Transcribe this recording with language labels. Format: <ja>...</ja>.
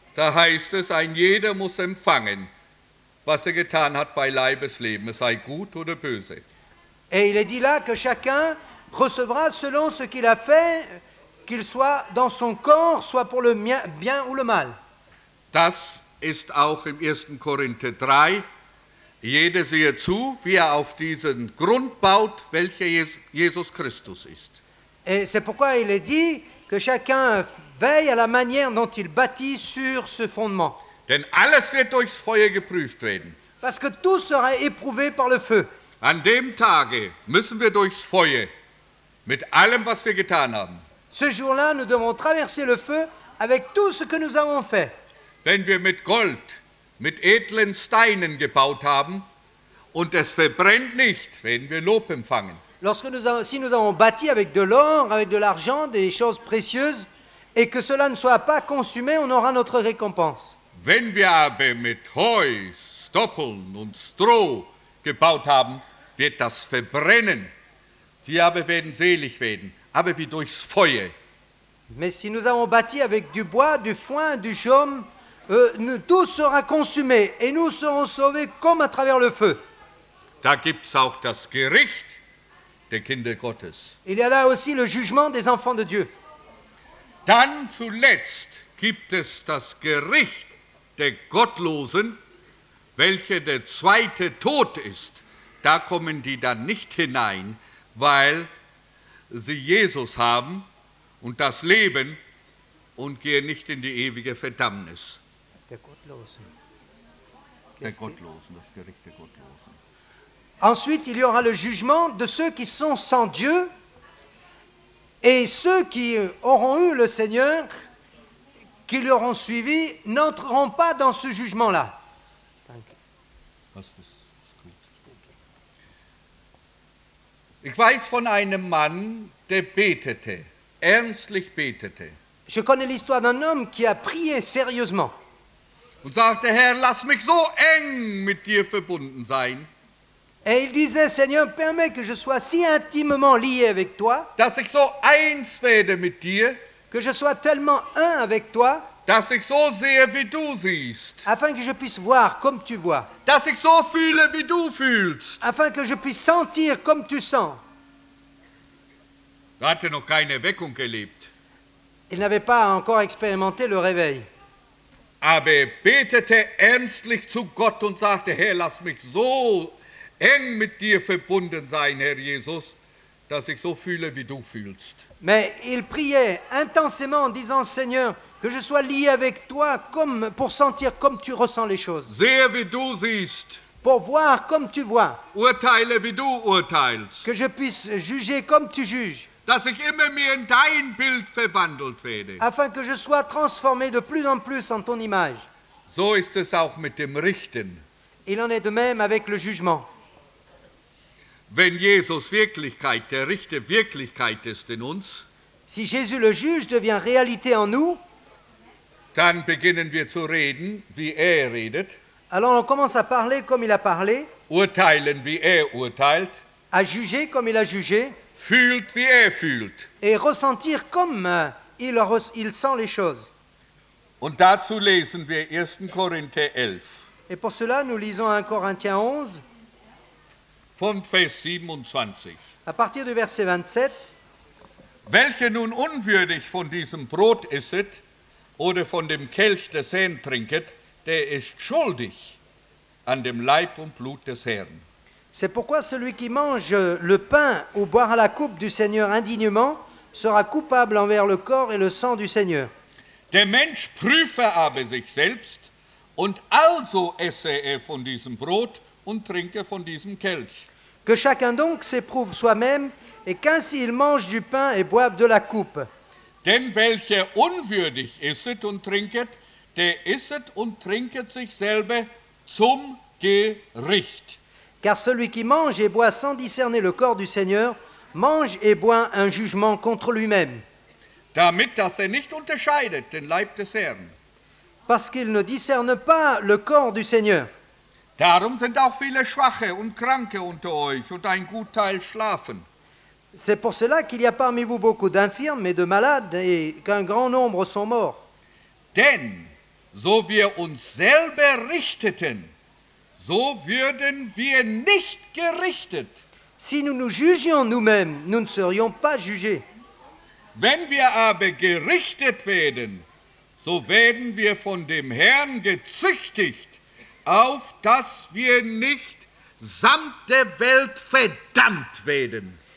<de>Da heißt es, ein jeder muss empfangen, was er getan hat bei Leibesleben, sei gut oder böse.</de> <fr>Et il est dit là que chacun recevra selon ce qu'il a fait, qu'il soit dans son corps, soit pour le bien ou le mal.</fr> <de>Das ist auch im 1. Korinther 3. Jeder sehe zu, wie er auf diesen Grund baut, welcher Jesus Christus ist.</de> <fr>Et c'est pourquoi il est dit que chacun veille à la manière dont il bâtit sur ce fondement.</fr> <de>Denn alles wird durchs Feuer geprüft werden.</de> <fr>Parce que tout sera éprouvé par le feu.</fr> <de>An dem Tage müssen wir durchs Feuer mit allem, was wir getan haben.</de> <fr>Ce jour-là, nous devons traverser le feu avec tout ce que nous avons fait.</fr> <de>Wenn wir mit Gold, mit edlen Steinen gebaut haben und es verbrennt nicht, werden wir Lob empfangen.</de> <fr>Lorsque nous avons, si nous avons bâti avec de l'or, avec de l'argent, des choses précieuses, et que cela ne soit pas consumé, on aura notre récompense.</fr> <de>Wenn wir aber mit Heu, Stoppeln und Stroh gebaut haben, wird das verbrennen. Wir aber werden selig werden, aber wie durchs Feuer.</de> <fr>Mais si nous avons bâti avec du bois, du foin, du chaume, tout sera consumé et nous serons sauvés comme à travers le feu.</fr> <de>Da gibt's auch das Gericht der Kinder Gottes.</de> <fr>Il y a là aussi le jugement des enfants de Dieu.</fr> <de>Dann zuletzt gibt es das Gericht der Gottlosen, welche der zweite Tod ist. Da kommen die dann nicht hinein, weil sie Jesus haben und das Leben und gehen nicht in die ewige Verdammnis. Der Gottlosen. Der Gottlosen, das Gericht der Gottlosen.</de> <fr>Ensuite, il y aura le jugement de ceux qui sont sans Dieu. Et ceux qui auront eu le Seigneur, qui l'auront suivi, n'entreront pas dans ce jugement-là.</fr> <de>Ich weiß von einem Mann, der betete, ernstlich betete.</de> <fr>Je connais l'histoire d'un homme qui a prié sérieusement.</fr> <de>Und sagte, Herr, lass mich so eng mit dir verbunden sein.</de> <fr>Et il disait, Seigneur, permets que je sois si intimement lié avec toi,</fr> <de>dass ich so eins werde mit dir,</de> <fr>que je sois tellement un avec toi,</fr> <de>dass ich so sehe, wie du siehst,</de> <fr>afin que je puisse voir comme tu vois,</fr> <de>dass ich so fühle, wie du fühlst,</de> <fr>afin que je puisse sentir comme tu sens.</fr> <de>Er hatte noch keine Erweckung erlebt.</de> <fr>Il n'avait pas encore expérimenté le réveil.</fr> <de>Aber er betete ernstlich zu Gott und sagte, Herr, lass mich so eng mit dir verbunden sein, Herr Jesus, dass ich so fühle, wie du fühlst.</de> <fr>Mais il priait intensément en disant, Seigneur, que je sois lié avec toi comme pour sentir comme tu ressens les choses.</fr> <de>Sehe, wie du siehst.</de> <fr>Pour voir comme tu vois.</fr> <de>Urteile, wie du urteilst.</de> <fr>Que je puisse juger comme tu juges.</fr> <de>Dass ich immer mehr in dein Bild verwandelt werde.</de> <fr>Afin que je sois transformé de plus en plus en ton image.</fr> <de>So ist es auch mit dem Richten.</de> <fr>Il en est de même avec le jugement.</fr> <de>Wenn Jesus Wirklichkeit, der Richter Wirklichkeit ist in uns,</de> <fr>si Jésus le juge devient réalité en nous,</fr> <de>dann beginnen wir zu reden, wie er redet.</de> <fr>Alors on commence à parler comme il a parlé.</fr> <de>Urteilen, wie er urteilt.</de> <fr>À juger comme il a jugé.</fr> <de>Fühlt, wie er fühlt.</de> <fr>Et ressentir comme il sent les choses.</fr> <de>Und dazu lesen wir 1. Korinther 11.</de> <fr>Et pour cela, nous lisons 1 Corinthiens 11.</fr> <de>Vom Vers 27.</de> <fr>À partir du verset 27.</fr> <de>Welche nun unwürdig von diesem Brot isset oder von dem Kelch des Herrn trinket, der ist schuldig an dem Leib und Blut des Herrn.</de> <fr>C'est pourquoi celui qui mange le pain ou boire la coupe du Seigneur indignement sera coupable envers le corps et le sang du Seigneur.</fr> <de>Der Mensch prüfe aber sich selbst und also esse er von diesem Brot und trinke von diesem Kelch.</de> <fr>Que chacun donc s'éprouve soi-même et qu'ainsi il mange du pain et boive de la coupe.</fr> <de>Denn welcher unwürdig isset und trinket, der isset und trinket sich selber zum Gericht.</de> <fr>Car celui qui mange et boit sans discerner le corps du Seigneur mange et boit un jugement contre lui-même.</fr> <de>Damit, dass er nicht unterscheidet den Leib des Herrn.</de> <fr>Parce qu'il ne discerne pas le corps du Seigneur.</fr> <de>Darum sind auch viele Schwache und Kranke unter euch und ein Gutteil schlafen.</de> <fr>C'est pour cela qu'il y a parmi vous beaucoup d'infirmes et de malades et qu'un grand nombre sont morts.</fr> <de>Denn so wir uns selber richteten, so würden wir nicht gerichtet.</de> <fr>Si nous nous jugions nous-mêmes, nous ne serions pas jugés.</fr> <de>Wenn wir aber gerichtet werden, so werden wir von dem Herrn gezüchtigt, auf dass wir nicht samt der Welt verdammt werden.</de>